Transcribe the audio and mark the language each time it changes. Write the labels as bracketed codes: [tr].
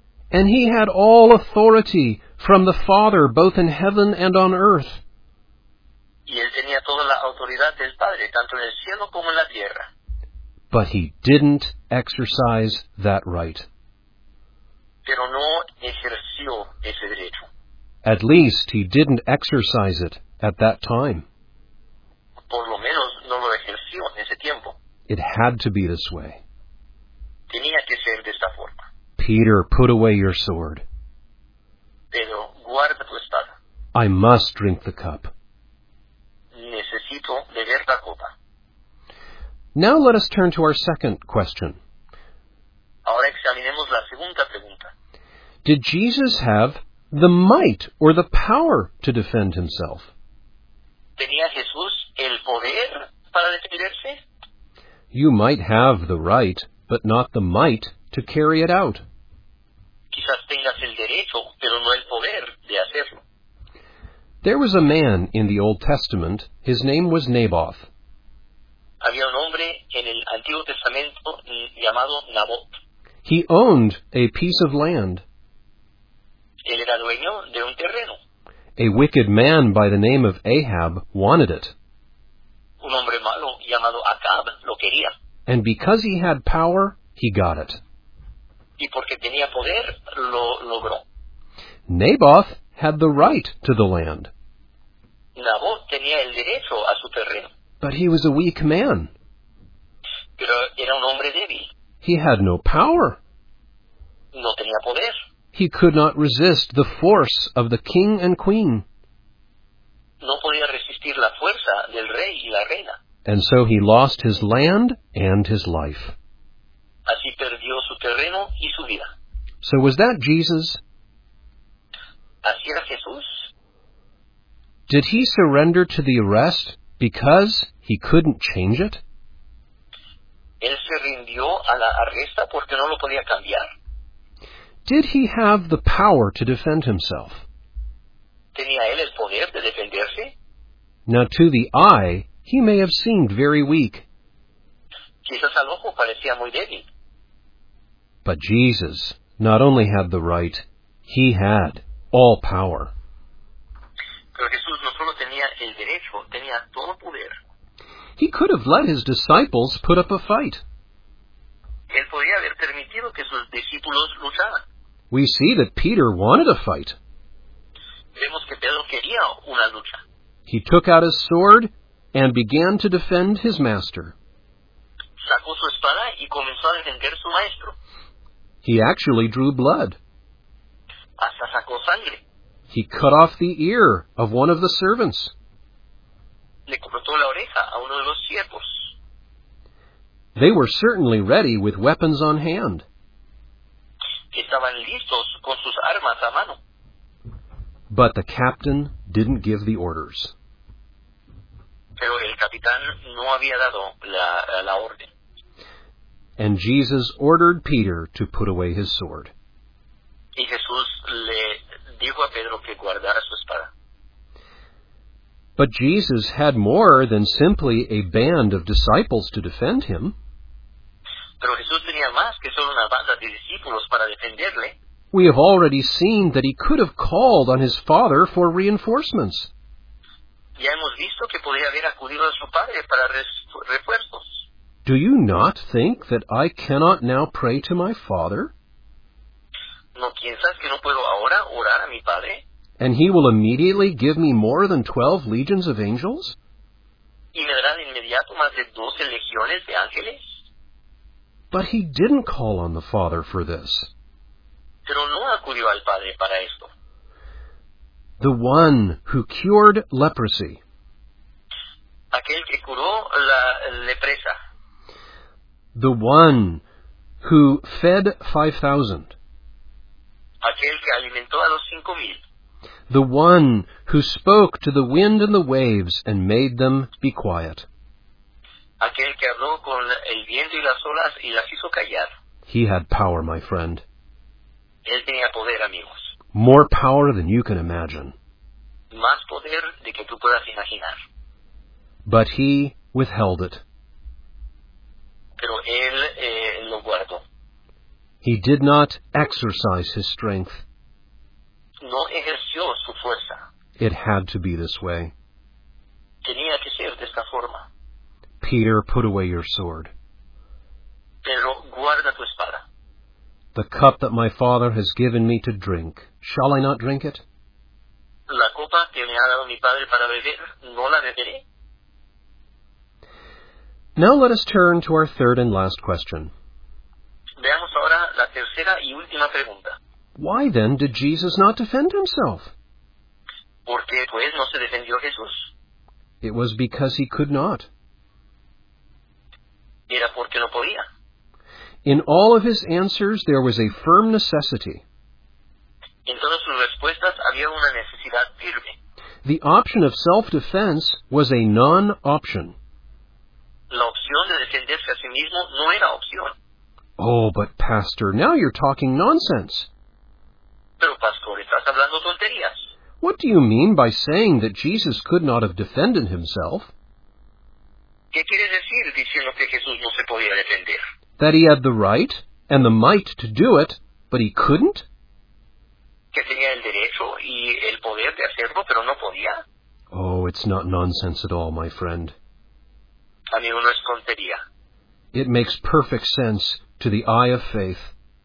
[en] And he had all authority from the Father, both in heaven and on earth. [es] Y él tenía toda la autoridad del Padre, tanto en el cielo como en la tierra. [en] But he didn't exercise that right. [es] Pero no ejerció ese derecho. [en] At least he didn't exercise it at that time. [es] Por lo menos no lo ejerció en ese tiempo. [en] It had to be this way. [es] Tenía que ser de esta forma. [en] Peter, put away your sword. [es] Pedro, guarda tu espada. [en] I must drink the cup. [es] Necesito beber la copa. [en] Now let us turn to our second question. [es] Ahora examinemos la segunda pregunta. [en] Did Jesus have the might or the power to defend himself? [es] ¿Tenía Jesús el poder para defenderse? [en] You might have the right, but not the might to carry it out. [es] Quizás tengas el derecho, pero no el poder de hacerlo. [en] There was a man in the Old Testament, his name was Naboth. [es] Había un hombre en el Antiguo Testamento llamado Naboth. [en] He owned a piece of land. [es] Él era dueño de un terreno. [en] A wicked man by the name of Ahab wanted it. [es] Un hombre malo llamado Acab lo quería. [en] And because he had power, he got it. [es] Y porque tenía poder, lo logró. [en] Naboth had the right to the land. [es] Naboth tenía el derecho a su terreno. [en] But he was a weak man. [es] Pero era un hombre débil. [en] He had no power. [es] No tenía poder. [en] He could not resist the force of the king and queen. [es] No podía resistir la fuerza del rey y la reina. [en] And so he lost his land and his life. [es] Así perdió su terreno y su vida. [en] So was that Jesus? [es] ¿Así era Jesús? [en] Did he surrender to the arrest because he couldn't change it? [es] Él se rindió a la arresta porque no lo podía cambiar. [en] Did he have the power to defend himself? [es] ¿Tenía él el poder de defenderse? [en] Now to the eye, he may have seemed very weak. [es] Quizás al ojo parecía muy débil. [en] But Jesus not only had the right, he had all power. [es] Pero Jesús no solo tenía el derecho, tenía todo poder. [en] He could have let his disciples put up a fight. [es] Él podía haber permitido que sus discípulos lucharan. [en] We see that Peter wanted a fight. [es] Vemos que Pedro quería una lucha. [en] He took out his sword and began to defend his master. [es] Sacó su espada y comenzó a defender su maestro. [en] He actually drew blood. [es] Hasta sacó sangre. [en] He cut off the ear of one of the servants. [es] Le cortó la oreja a uno de los siervos. [en] They were certainly ready with weapons on hand. [es] Estaban listos con sus armas a mano. [en] But the captain didn't give the orders. [es] Pero el capitán no había dado la orden. [en] And Jesus ordered Peter to put away his sword. [es] Y Jesús le dijo a Pedro que guardara su espada. [en] But Jesus had more than simply a band of disciples to defend him. [es] Pero Jesús tenía más que solo una banda de discípulos para defenderle. [en] We have already seen that he could have called on his father for reinforcements. [es] Ya hemos visto que podía haber acudido a su padre para refuerzos. [en] Do you not think that I cannot now pray to my father? [es] ¿No piensas que no puedo ahora orar a mi padre? [en] And he will immediately give me more than 12 legions of angels? [es] ¿Y me darán inmediato más de 12 legiones de ángeles? [en] But he didn't call on the Father for this. [es] Pero no acudió al Padre para esto. [en] The one who cured leprosy. [es] Aquel que curó la lepra. [en] The one who fed 5,000. [es] Aquel que alimentó a los 5,000. [en] The one who spoke to the wind and the waves and made them be quiet. [es] Aquel que habló con el viento y las olas y las hizo callar. [en] He had power, my friend. [es] Él tenía poder, amigos. [en] More power than you can imagine. [es] Más poder de que tú puedas imaginar. [en] But he withheld it. [es] Pero él lo guardó. [en] He did not exercise his strength. [es] No ejerció su fuerza. [en] It had to be this way. [es] Tenía que ser de esta forma. [en] Peter, put away your sword. [es] Pero guarda tu espada. [en] The cup that my father has given me to drink, shall I not drink it? [es] La copa que me ha dado mi padre para beber, ¿no la beberé? [en] Now let us turn to our third and last question. [es] Veamos ahora la tercera y última pregunta. [en] Why then did Jesus not defend himself? [es] ¿Por qué, pues, no se defendió Jesús? [en] It was because he could not. [es] Era porque no podía. [en] In all of his answers, there was a firm necessity. [es] En todas sus respuestas había una necesidad firme. [en] The option of self-defense was a non-option. [es] La opción de defenderse a sí mismo no era opción. [en] Oh, but Pastor, now you're talking nonsense. [es] Pero Pastor, estás hablando tonterías. [en] What do you mean by saying that Jesus could not have defended himself? [es] ¿Qué quiere decir diciendo que Jesús no se podía defender? [en] That he had the right and the might to do it, but he couldn't? [es] Que tenía el derecho y el poder de hacerlo, pero no podía. [en] Oh, it's not nonsense at all, my friend. [es] Amigo, no es tontería. [en] It makes perfect sense to the eye of faith.